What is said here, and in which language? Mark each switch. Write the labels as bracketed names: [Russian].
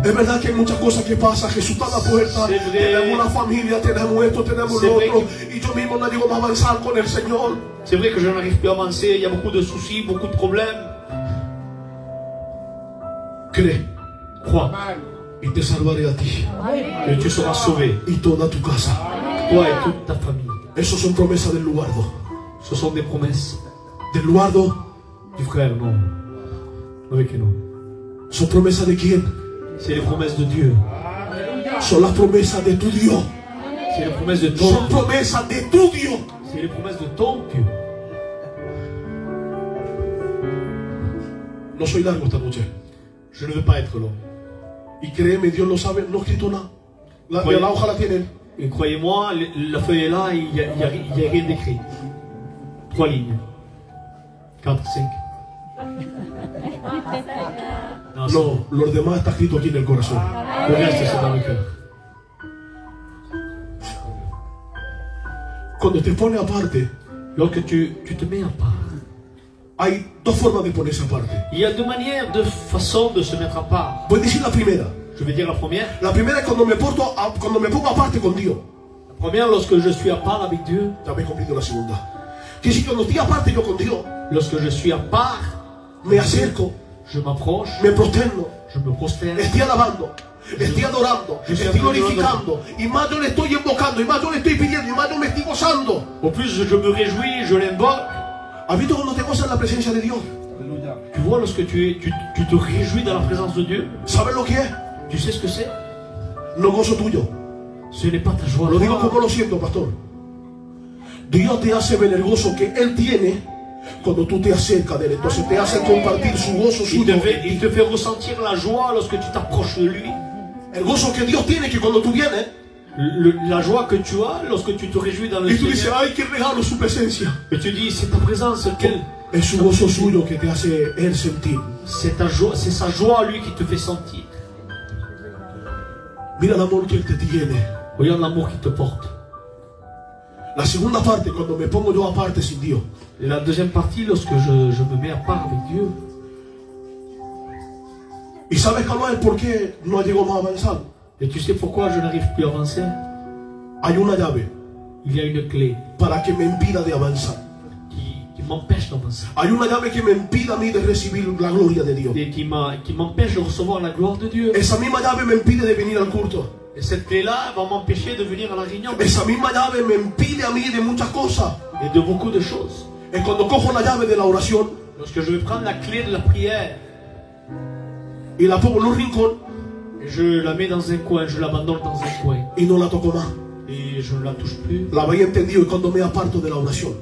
[Spanish] Es verdad que hay muchas cosas que pasan. Jesús está a la puerta. Tenemos la familia, tenemos esto, tenemos lo otro. Y yo mismo no digo más avanzar con el Señor. [French] C'est vrai que je n'arrive plus à avancer. Il y a beaucoup de soucis, beaucoup de problèmes. [Spanish] Cree. [French] Crois. [Spanish] Y te salvaré a ti. Y tú serás sauvé. Y toda tu casa. [French] Toi [Spanish] y toda tu familia. Esos son promesas del Luardo. [French] Ce sont des promesses. [Spanish] Del Luardo. [French] Du frère, non. [Spanish] No es que no. Son promesas de quién? [French] C'est les promesses de Dieu. [Spanish] Son las promesas de tu Dios. [French] C'est les promesses de ton Dieu. [Spanish] Son promesas de tu Dios. [French] C'est les promesses de ton Dieu. [Spanish] No soy largo esta noche. [French] Je ne veux pas être long. [Spanish] Y créeme, Dios lo sabe, no escrito nada. La hoja la tiene. [French] Et croyez-moi, la feuille est là, il n'y a rien d'écrit. Trois lignes. Quatre, cinq. Non, non, [Spanish] lo demás está escrito aquí en el corazón. [French] Le reste, c'est dans le cœur. [Spanish] Cuando te pones aparte, [French] lorsque tu te mets à part, [Spanish] hay dos formas de ponerse aparte. [French] Il y a deux manières, deux façons de se mettre à part. [Spanish] Voy a decir la primera. [French] Je vais dire la première. [Spanish] La primera es cuando me pongo aparte con Dios. [French] La première, lorsque je suis à part avec Dieu. [Spanish] También comprendo la segunda. Que si cuando estoy aparte yo con Dios. [French] Lorsque je suis à part, [Spanish] me acerco. [French] Je m'approche. [Spanish] Me prosterno. [French] Je me prosterno. [Spanish] Estoy alabando. Estoy adorando. Estoy glorificando. Y más yo le estoy invocando. Y más yo le estoy pidiendo. Y más yo me estoy gozando. [French] Au plus je me réjouis, je l'invoque. [Spanish] ¿Has visto cuando te gozas en la presencia de Dios? [French] Alléluia. Tu vois lorsque tu te réjouis dans la présence de Dieu. [Spanish] ¿Sabes lo que es? [French] Tu sais ce que c'est? [Spanish] No gozo tuyo. [French] Ce n'est pas ta joie. [Spanish] Lo digo como lo siento, pastor. Dios te hace ver el gozo que él tiene cuando tú te acercas de él. Entonces te hace compartir su gozo suyo. [French] Il te fait ressentir la joie lorsque tu t'approches de lui. [Spanish] El gozo que Dios tiene que cuando tú vienes. [French] La joie que tu as lorsque tu te réjouis dans le Seigneur. [Spanish] Y tú dices, ay, qué regalo su presencia. [French] Et tu dis, c'est ta présence, quel. [Spanish] Es su gozo suyo que te hace él sentir. [French] C'est ta joie, c'est sa joie lui qui te fait sentir. [Spanish] Mira [French] l'amour qu'il [Spanish] te tiene. [French] Voyons l'amour qu'il te porte. [Spanish] La segunda parte, cuando me pongo yo aparte sin Dios. [French] Et la deuxième partie, lorsque je me mets à part avec Dieu. [Spanish] ¿Y sabes cómo es? ¿Por qué no ha llegado más avanzado? [French] Et tu sais pourquoi je n'arrive plus à avancer? [Spanish] Hay una llave. [French] Il y a une clé. [Spanish] Para que me impida de avanzar. [French] Qui m'empêche d'avancer. [Spanish] Hay una llave que me impide a mí de recibir la gloria de Dios. [French] Et qui m'empêche de recevoir la gloire de Dieu. [Spanish] Esa misma llave me impide de venir al culto. [French] Et cette clé-là va m'empêcher de venir à la réunion. [Spanish] Esa misma llave me impide a mí de muchas cosas. [French] Et de beaucoup de choses. Et [Spanish] cuando cojo la llave de la oración. [French] Lorsque je vais prendre la clé de la prière. [Spanish] Y la pongo en un rincón. [French] Je la mets dans un coin, je l'abandonne dans un coin. [Spanish] Y no la toco más. [French] Et je ne la touche plus. [Spanish] La había entendido cuando me aparto de la oración.